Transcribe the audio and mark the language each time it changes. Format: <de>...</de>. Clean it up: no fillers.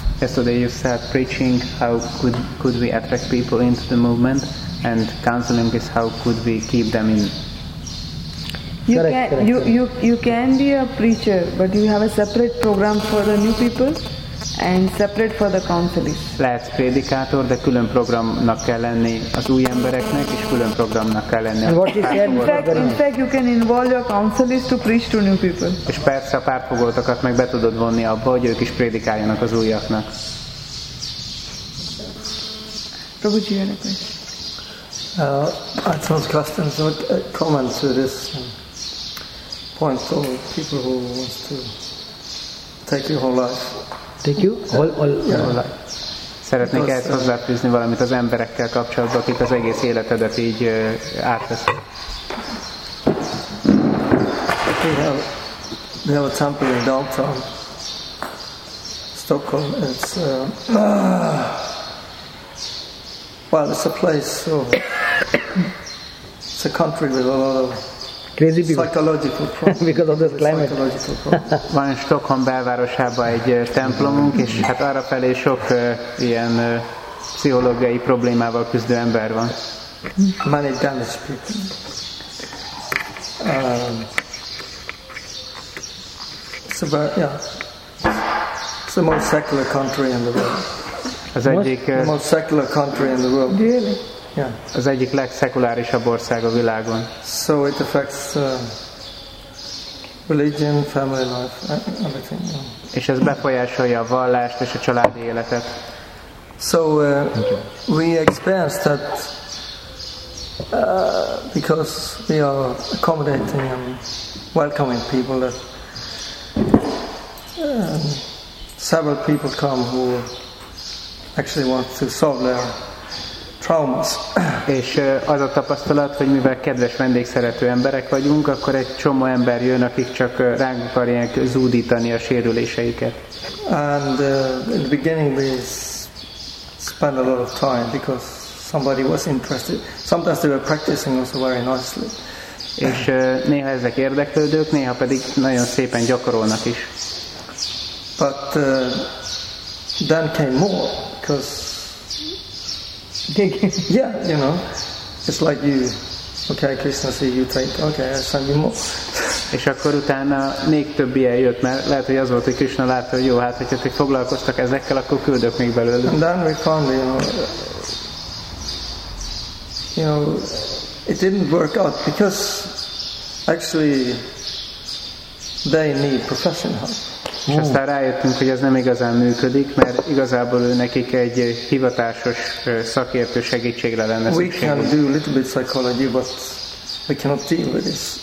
<en>Yesterday you said preaching, how could we attract people into the movement, and counseling is how could we keep them in. You can be a preacher, but you have a separate program for the new people and separate for the counselees.</en> <hu>Lehet prédikátor, de külön programnak kell lenni az új embereknek, és külön programnak kell lenni.</hu> <en>In fact, you can involve your counselees to preach to new people.</en> <hu>És persze a pártfogoltakat meg be tudod vonni abba, hogy ők is prédikáljanak az újaknak.</hu> <en>Prabhuji, you have a question? I suppose questions or comments to this point for people who want to take your whole life. Thank you. All.</en> <hu>Szeretnék ehhez hozzáfűzni valamit az emberekkel kapcsolatban, akik az egész életedet így átveszik.</hu> <en>We have a temple in downtown Stockholm. It's a place. So it's a country with a lot of crazy people. Psychological problems. Because of this climate. Psychological problems.</en> <hu>Van Stockholm belvárosában egy templomunk, és hát arrafelé sok ilyen pszichológiai problémával küzdő ember van.</hu> <en>Many damaged people. It's the most secular country in the world. The most secular country in the world. Really? Yeah.</en> <hu>Az egyik legszekulárisabb ország a világon.</hu> <en>So it affects religion, family life, everything. Yeah.</en> <hu>És ez befolyásolja a vallást és a családi életet.</hu> <en>So we experience that because we are accommodating and welcoming people that several people come who actually want to solve their traumas.</en> <hu>És az a tapasztalat, hogy mivel kedves vendégszerető emberek vagyunk, akkor egy csomó ember jön, akik csak ránk akarják zúdítani a sérüléseiket.</hu> <en>And in the beginning we spend a lot of time because somebody was interested. Sometimes they were practicing also very nicely.</en> <hu>És néha ezek érdeklődők, néha pedig nagyon szépen gyakorolnak is.</hu> <en>But then came more because yeah, you know, it's like you, okay, Krishna, see, you think, okay, I'll send you more.</en> <hu>És akkor utána még több ilyen jött, mert lehet, hogy az volt, hogy Krishna látta, hogy jó, hát, hogyha te foglalkoztak ezekkel, akkor küldök még belőle.</hu> <en>And then we found, you know, it didn't work out because actually they need professional.</en> <hu>És aztán rájöttünk, hogy ez nem igazán működik, mert igazából ő nekik egy hivatásos szakértő segítségre lenne szükségük.</hu> <en>We can do a little bit psychology, but we cannot deal with this.</en>